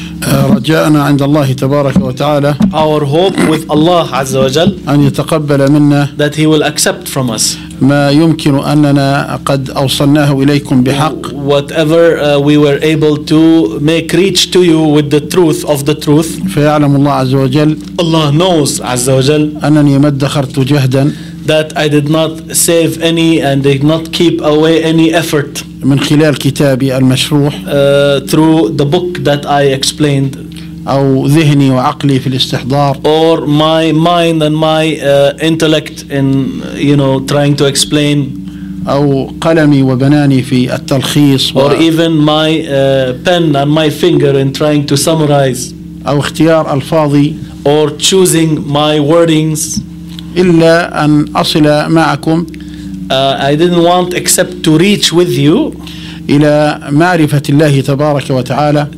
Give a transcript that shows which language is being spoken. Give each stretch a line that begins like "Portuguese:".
Arabic: رجاءنا عند الله تبارك وتعالى.
English: Our hope with Allah عز وجل.
Arabic: أن يتقبل منا.
English: That He will accept from us.
Arabic: ما يمكن أننا قد أوصلناه إليكم بحق.
English: Whatever we were able to make reach to you with the truth of the truth.
Arabic: فيعلم الله عز وجل.
English: Allah knows
Arabic: عز وجل. أنني ما ادخرت جهدا.
English: That I did not save any and did not keep away any effort.
Arabic: من خلال كتابي المشروح.
English: Through the book that I explained.
Arabic: أو ذهني وعقلي في الاستحضار.
English: Or my mind and my intellect in, you know, trying to explain.
Arabic: أو قلمي وبناني في التلخيص.
English: Or even my pen and my finger in trying to summarize.
Arabic: أو اختيار ألفاظي.
English: Or choosing my wordings.
Arabic: إلا أن أصل معكم.
English: I didn't want except to reach with you.
Arabic: إلى معرفة الله تبارك وتعالى.